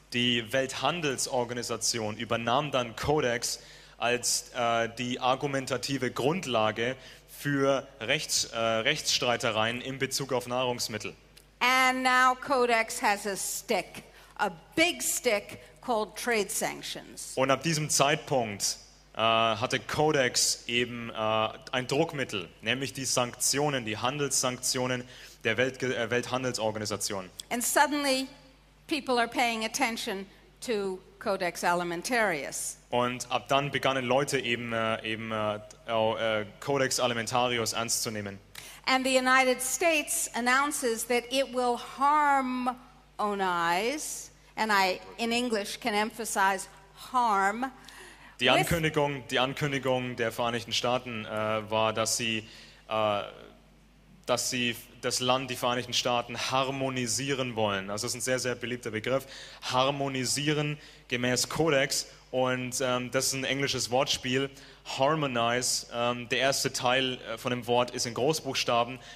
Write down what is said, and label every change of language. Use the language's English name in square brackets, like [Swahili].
[German] Die Welthandelsorganisation übernahm dann Codex als die argumentative Grundlage für Rechtsstreitereien in Bezug auf Nahrungsmittel. [English] And now Codex has a stick, a big stick called trade sanctions. [German] Und ab diesem Zeitpunkt hatte Codex eben ein Druckmittel, nämlich die Sanktionen, die Handelssanktionen der Welthandelsorganisation. [English] And suddenly people are paying attention to Codex Alimentarius. [German] Und ab dann begannen Leute eben Codex Alimentarius ernst zu nehmen. [English] And the United States announces that it will harmonize, and I in English can emphasize harm. [German] Die Ankündigung der Vereinigten Staaten war, dass sie das Land, die Vereinigten Staaten, harmonisieren wollen. Also das ist ein sehr, sehr beliebter Begriff. Harmonisieren gemäß Codex. Und das ist ein englisches Wortspiel. Harmonize, der erste Teil von dem Wort ist in Großbuchstaben.